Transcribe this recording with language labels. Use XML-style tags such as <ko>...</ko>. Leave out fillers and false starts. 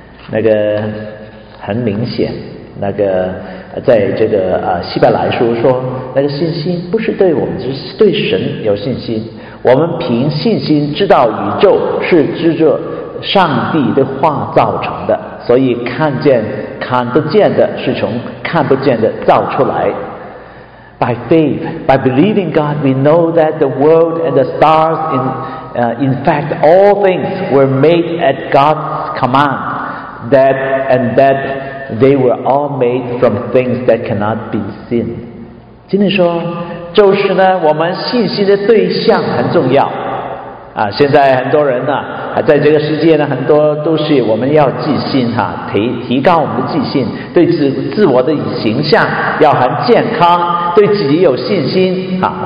<zh>那个很明显，那个在这个希伯来书说，那个信心不是对我们，只是对神有信心。我们凭信心知道宇宙是指着上帝的话造成的，所以看得见的是从看不见的造出来。</zh> <en>By faith, by believing God, we know that the world and the stars, in fact, all things were made at God's command, that they were all made from things that cannot be seen.</en> <zh>今天说，就是呢，我们信心的对象很重要。啊，现在很多人呢，在这个世界呢，很多都是我们要自信哈，提高我们的自信，对自我的形象要很健康，对自己有信心啊。</zh>